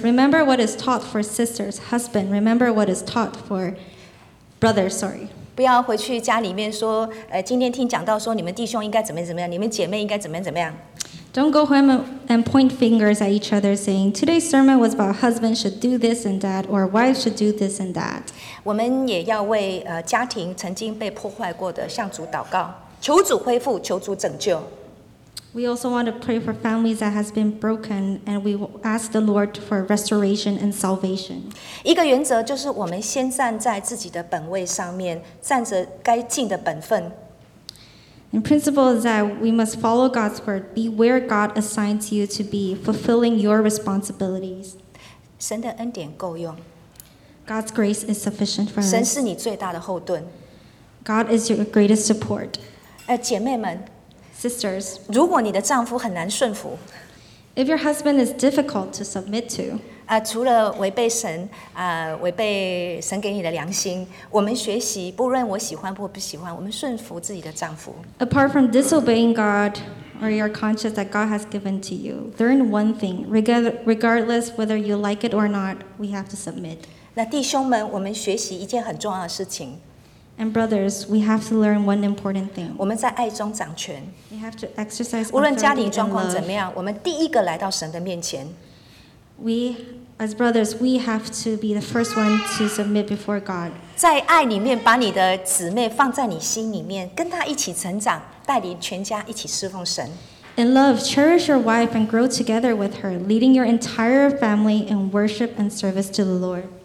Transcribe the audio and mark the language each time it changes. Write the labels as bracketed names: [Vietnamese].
[English] remember what is taught for sisters. Husband, remember what is taught for brothers. Sorry. [Chinese] 不要回去家里面说，今天听讲到说你们弟兄应该怎么样怎么样，你们姐妹应该怎么样怎么样。 [English] Don't go home and point fingers at each other saying, today's sermon was about husband should do this and that, or wife should do this and that. [Chinese] 我们也要为家庭曾经被破坏过的向主祷告，求主恢复，求主拯救。 [English] We also want to pray for families that has been broken, and we ask the Lord for restoration and salvation. [Chinese] 一个原则就是我们先站在自己的本位上面，站着该尽的本分。 [English] In principle, is that we must follow God's word, be where God assigns you to be, fulfilling your responsibilities. [Chinese] 神的恩典够用。 [English] God's grace is sufficient for us. [Chinese] 神是你最大的后盾。 [English] God is your greatest support. [Chinese] 姐妹们。 [English] Sisters, [Chinese] 如果你的丈夫很难顺服 [English] if your husband is difficult to submit to, [Chinese] 除了违背神，违背神给你的良心，我们学习，不论我喜欢或不喜欢，我们顺服自己的丈夫。 [English] Apart from disobeying God or your conscience that God has given to you, learn one thing: regardless whether you like it or not, we have to submit. [Chinese] 那弟兄们，我们学习一件很重要的事情。 [English] And brothers, we have to learn one important thing. [Chinese] 我们在爱中掌权。 [English] We have to exercise authority in love. [Chinese] 无论家庭状况怎么样，我们第一个来到神的面前。 [English] We, as brothers, we have to be the first one to submit before God. [Chinese] 在爱里面，把你的姊妹放在你心里面，跟她一起成长，带领全家一起侍奉神。 [English] In love, cherish your wife and grow together with her, leading your entire family in worship and service to the Lord.